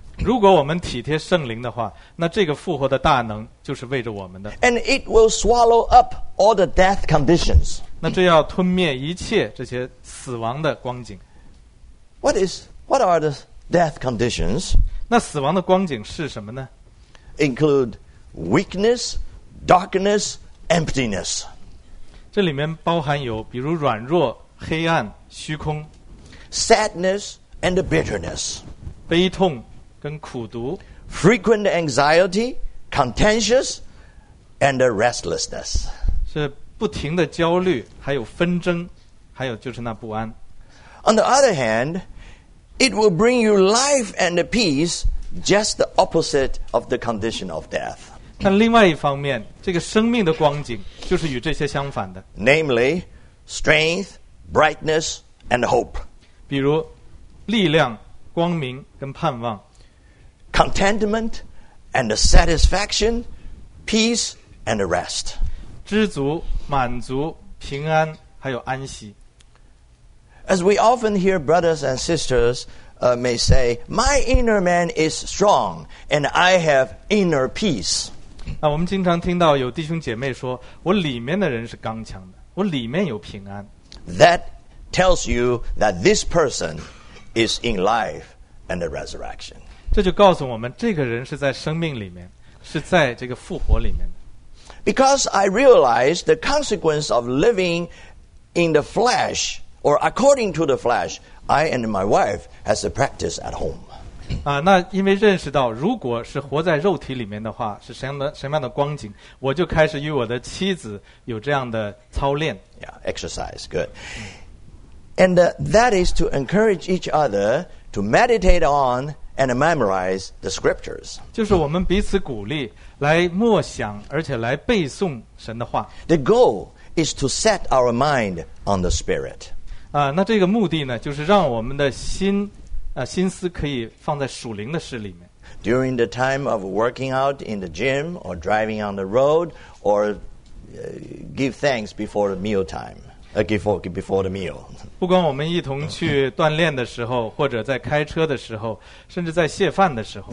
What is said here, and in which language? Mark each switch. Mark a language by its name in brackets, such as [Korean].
[Chinese] 如果我们体贴圣灵的话，那这个复活的大能就是为着我们的。 [English] And it will swallow up all the death conditions. [Chinese] 那这要吞灭一切这些死亡的光景。 [English] What are the death conditions? [Chinese] 那死亡的光景是什么呢？ [English] Include weakness, darkness, emptiness. [Chinese] 这里面包含有比如软弱、黑暗、虚空。 [English] Sadness and bitterness. [Chinese] 悲痛跟苦毒。 [English] Frequent anxiety, contentious, and restlessness. [Chinese] 是不停的焦虑，还有纷争，还有就是那不安。 [English] On the other hand, it will bring you life and peace, just the opposite of the condition of death. [Chinese] 但另外一方面，这个生命的光景就是与这些相反的。 [English] Namely, strength, brightness, and hope. [Chinese] 比如，力量、光明跟盼望。 [English] Contentment and satisfaction, peace and rest. [Chinese] 知足、满足、平安，还有安息。 [English] As we often hear brothers and sisters, may say, "My inner man is strong, and I have inner peace." [Chinese] 那我们经常听到有弟兄姐妹说，我里面的人是刚强的，我里面有平安。 [English] That tells you that this person is in life and the resurrection. [Chinese] 这就告诉我们，这个人是在生命里面，是在这个复活里面的。 [English] Because I realize the consequence of living in the flesh or according to the flesh, I and my wife has a practice at home. [Chinese] 那因为认识到如果是活在肉体里面的话，是什么样的光景，我就开始与我的妻子有这样的操练。 [English] Yeah, exercise, good. And that is to encourage each other to meditate on and memorize the scriptures. [Chinese] 就是我们彼此鼓励。来默想，而且来背诵神的话。 [English] The goal is to set our mind on the Spirit. [Chinese] 那这个目的呢，就是让我们的心，心思可以放在属灵的事里面。 [English] During the time of working out in the gym or driving on the road or give thanks before the meal time, before the meal. [Chinese] 不管我们一同去锻炼的时候，或者在开车的时候，甚至在卸饭的时候。